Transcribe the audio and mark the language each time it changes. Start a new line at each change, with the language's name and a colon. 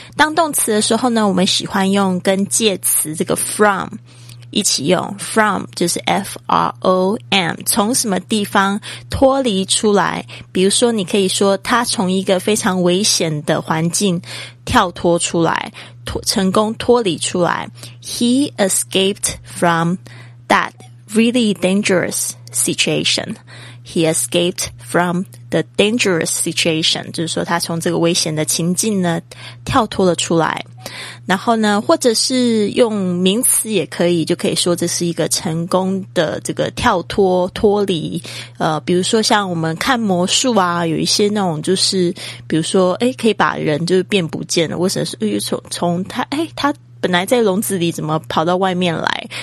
Chinese: 当动词的时候呢，我们喜欢用跟介词这个 from,一起用 from 就是 from 从什么地方脱离出来。比如说你可以说他从一个非常危险的环境跳脱出来，成功脱离出来。
English: He escaped from that really dangerous situation. He escaped from the dangerous situation.
Chinese: 就是说他从这个危险的情境呢跳脱了出来。然后呢，或者是用名词也可以，就可以说这是一个成功的这个跳脱、脱离。比如说像我们看魔术啊，有一些那种就是，比如说，可以把人就是变不见了，或者是从他，他本来在笼子里怎么跑到外面来？